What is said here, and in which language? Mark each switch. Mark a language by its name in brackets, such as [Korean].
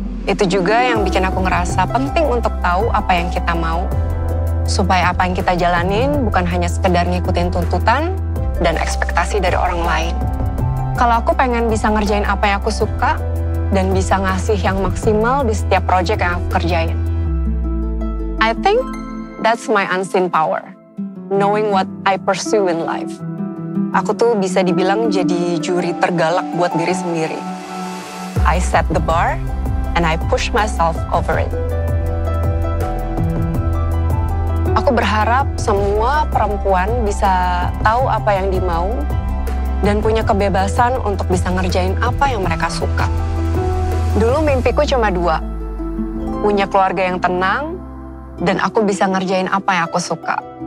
[Indonesian] Itu juga yang bikin aku ngerasa penting untuk tahu apa yang kita mau, supaya apa yang kita jalanin bukan hanya sekedar ngikutin tuntutan dan ekspektasi dari orang lain. Kalau aku pengen bisa ngerjain apa yang aku suka dan bisa ngasih yang maksimal di setiap project yang aku kerjain. [English] I think that's my unseen power, knowing what I pursue in life. [Indonesian] Aku tuh bisa dibilang jadi juri tergalak buat diri sendiri. [English] I set the bar and I push myself over it. [Indonesian] Aku berharap semua perempuan bisa tahu apa yang dimau dan punya kebebasan untuk bisa ngerjain apa yang mereka suka. Dulu mimpiku cuma dua, punya keluarga yang tenang dan aku bisa ngerjain apa yang aku suka.